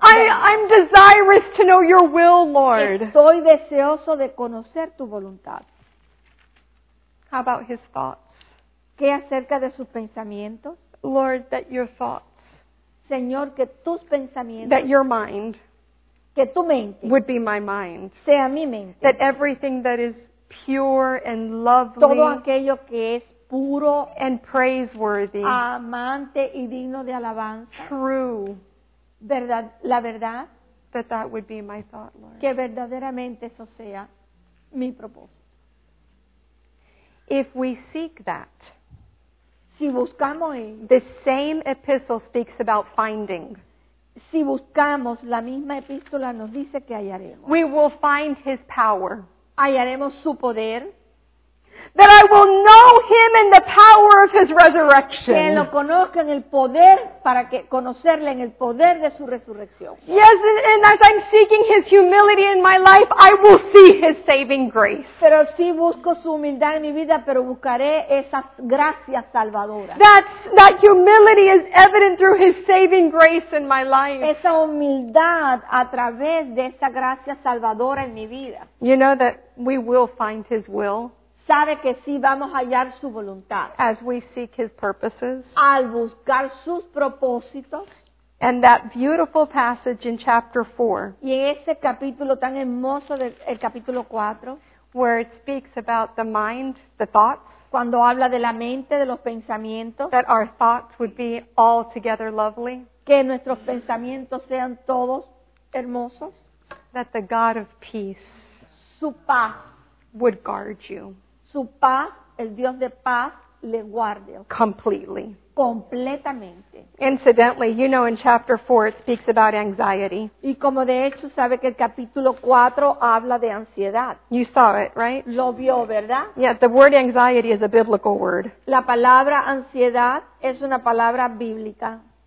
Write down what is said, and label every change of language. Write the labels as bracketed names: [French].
[English] I'm desirous to know your will, Lord. [Spanish] Estoy deseoso de conocer tu voluntad. [English] How about his thoughts? [Spanish] ¿Qué acerca de sus pensamientos? [English] Lord, that your thoughts. [Spanish] Señor, que tus pensamientos. [English] That your mind. [Spanish] Que tu mente [English] would be my mind. [Spanish] Sea mi mente. [English] That everything that is pure and lovely, [Spanish] todo aquello que es puro [English] and praiseworthy, [Spanish] amante y digno de alabanza, [English] true, [Spanish] verdad, la verdad, [English] that would be my thought, Lord. [Spanish] Que verdaderamente eso sea mi propósito. [English] If we seek that, [Spanish] si buscamos eso, [English] the same epistle speaks about finding. [Spanish] Si buscamos, la misma epístola nos dice que hallaremos. [English] We will find his power. [Spanish] Hallaremos su poder. [English] That I will know him in the power of his resurrection. [Spanish] Que lo conozca en el poder para que conocerle en el poder de su resurrección. [English] Yes, and as I'm seeking his humility in my life, I will see his saving grace. [Spanish] Pero sí busco su humildad en mi vida, pero buscaré esas gracias salvadoras. [English] That humility is evident through his saving grace in my life. [Spanish] Esa humildad a través de esa gracia salvadora en mi vida. [English] You know that we will find his will. [Spanish] Sabe que sí vamos a hallar su voluntad. [English] As we seek his purposes. [Spanish] Al buscar sus propósitos. [English] And that beautiful passage in chapter 4. [Spanish] Y en ese capítulo tan hermoso del capítulo 4. [English] Where it speaks about the mind, the thoughts. [Spanish] Cuando habla de la mente, de los pensamientos. [English] That our thoughts would be altogether lovely. [Spanish] Que nuestros pensamientos sean todos hermosos. [English] That the God of peace. [Spanish] Su paz. [English] Would guard you. [Spanish] Su paz, el Dios de paz, le guarde. [English] Completely. [Spanish] Completamente. [English] Incidentally, you know in chapter 4 it speaks about anxiety. [Spanish] Y como de hecho sabe que el capítulo 4 habla de ansiedad. [English] You saw it, right? [Spanish] Lo vio, ¿verdad? [English] Yeah, the word anxiety is a biblical word. [Spanish] La palabra ansiedad es una palabra bíblica.